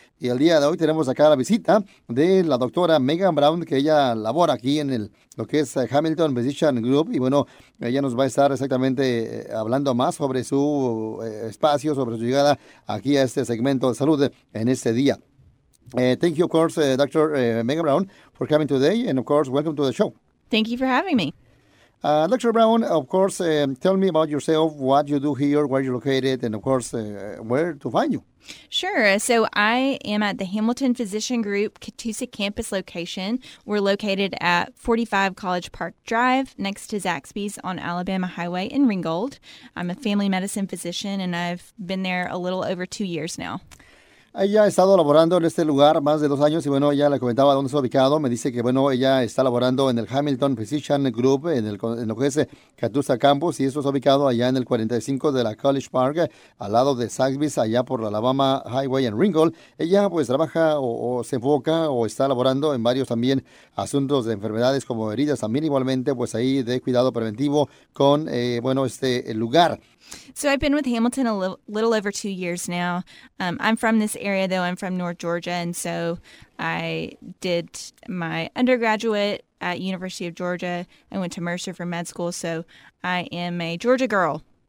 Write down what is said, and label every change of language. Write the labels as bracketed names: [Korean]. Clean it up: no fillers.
[Spanish] Y el día de hoy tenemos acá la visita de la doctora Megan Brown, que ella labora aquí en lo que es Hamilton Physician Group. Y bueno, ella nos va a estar exactamente hablando más sobre su espacio, sobre su llegada aquí a este segmento de salud en este día. [English] Thank you, of course, Dr. Megan Brown, for coming today, and of course, welcome to the show. Thank you for having me. Dr. Brown, of course, tell me about yourself, what you do here, where you're located, and of course, where to find you. Sure. So I am at the Hamilton Physician Group Catoosa campus location. We're located at 45 College Park Drive next to Zaxby's on Alabama Highway in Ringgold. I'm a family medicine physician, and I've been there a little over 2 years now. [Spanish] Ella ha estado laborando en este lugar más de 2 años y bueno, ella le comentaba dónde está ubicado. Me dice que bueno, ella está laborando en el Hamilton Physician Group, en lo que es Catoosa Campus, y eso está ubicado allá en el 45 de la College Park, al lado de Zaxby's, allá por la Alabama Highway en Ringgold. Ella pues trabaja o se enfoca o está laborando en varios también asuntos de enfermedades como heridas, también igualmente pues ahí de cuidado preventivo con este lugar. [English] So I've been with Hamilton a little over 2 years now. I'm from this area, though. I'm from North Georgia, and so I did my undergraduate at University of Georgia. I went to Mercer for med school, so I am a Georgia girl.